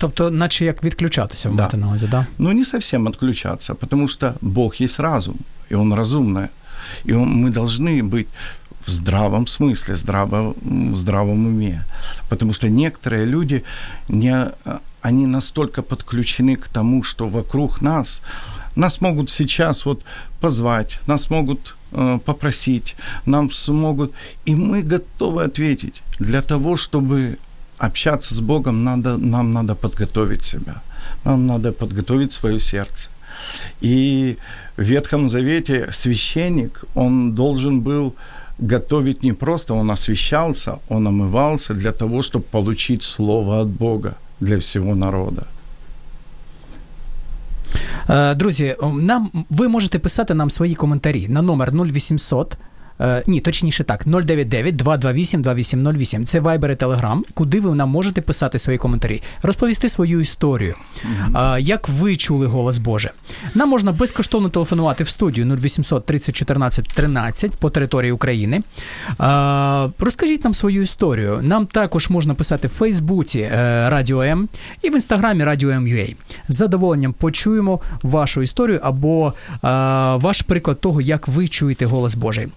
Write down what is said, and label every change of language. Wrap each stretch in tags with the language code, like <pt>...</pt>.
<uk>Тобто, наче як відключатися, мати на увазі, да?</uk> <ru>Ну, не совсем отключаться, потому что Бог есть разум, и Он разумный. И мы должны быть в здравом смысле, в здравом уме. Потому что некоторые люди, они настолько подключены к тому, что вокруг нас, нас могут сейчас вот позвать, нас могут попросить, нам смогут, и мы готовы ответить. Для того, чтобы общаться с Богом, нам надо подготовить себя, нам надо подготовить свое сердце. И в Ветхом Завете священник, он должен был готовить не просто, он освящался, он омывался для того, чтобы получить слово от Бога для всего народа.</ru> <uk>Друзі, ви можете писати нам свої коментарі на номер 0800, ні, точніше так, 099-228-2808. Це Viber і Telegram, куди ви нам можете писати свої коментарі, розповісти свою історію, як ви чули голос Боже. Нам можна безкоштовно телефонувати в студію 0800-3014-13 по території України. Розкажіть нам свою історію. Нам також можна писати в Фейсбуці Радіо М і в Інстаграмі Радіо М.UA. З задоволенням почуємо вашу історію або ваш приклад того, як ви чуєте голос Божий.</uk>